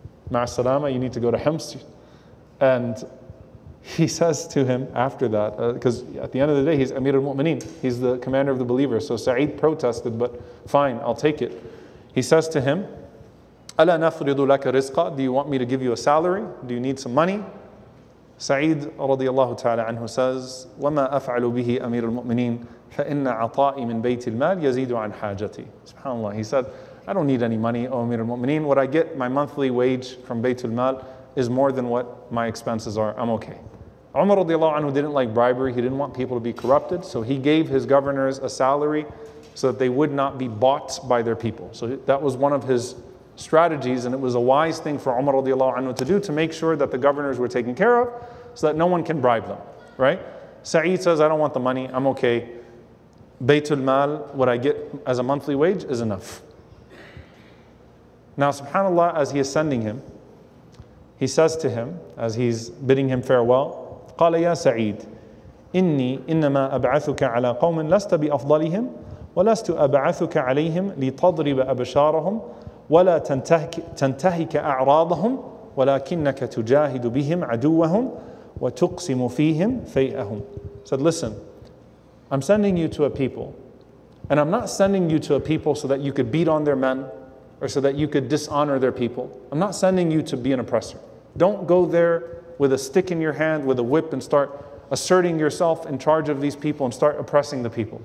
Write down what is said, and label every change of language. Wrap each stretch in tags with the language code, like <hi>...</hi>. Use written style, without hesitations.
<ar>Ma'a salama,</ar> <en>you need to go to Hims. And he says to him after that, because at the end of the day, he's Amir al-Mu'mineen. He's the commander of the believers. So Sa'id protested, but fine, I'll take it. He says to him,</en> <ar>Ala nafridu laka rizqa?</ar> <en>Do you want me to give you a salary? Do you need some money? Sa'id radiallahu ta'ala anhu says,</en> <ar>وَمَا أَفْعَلُ بِهِ أَمِيرُ الْمُؤْمِنِينَ فَإِنَّ عَطَائِ مِنْ بَيْتِ الْمَالِ يَزِيدُ عَنْ حَاجَتِي.</ar> <en>SubhanAllah, he said, I don't need any money, O Amir al-Mu'mineen. What I get, my monthly wage from Bayt al-Mal, is more than what my expenses are. I'm okay. Umar radiallahu anhu didn't like bribery. He didn't want people to be corrupted. So he gave his governors a salary so that they would not be bought by their people. So that was one of his strategies, and it was a wise thing for Umar radiallahu anhu to do to make sure that the governors were taken care of so that no one can bribe them, right? Sa'id says, I don't want the money, I'm okay. Baytul mal, what I get as a monthly wage is enough. Now subhanAllah, as he is sending him, he says to him, as he's bidding him farewell,</en> <ar>قَالَ يَا سَعِيدُ إِنِّي إِنَّمَا أَبْعَثُكَ عَلَىٰ قَوْمٍ لَسْتَ بِأَفْضَلِهِمْ وَلَسْتُ أَبْعَثُكَ عَلَيْهِمْ لِتَضْرِبَ أَبْشَارَهُمْ ولا تنتهك أعراضهم ولكنك تجاهد بهم عدوهم وتقسم فيهم فيئهم.</ar> <en>Said, listen, I'm sending you to a people, and I'm not sending you to a people so that you could beat on their men or so that you could dishonor their people. I'm not sending you to be an oppressor. Don't go there with a stick in your hand, with a whip, and start asserting yourself in charge of these people and start oppressing the people.</en>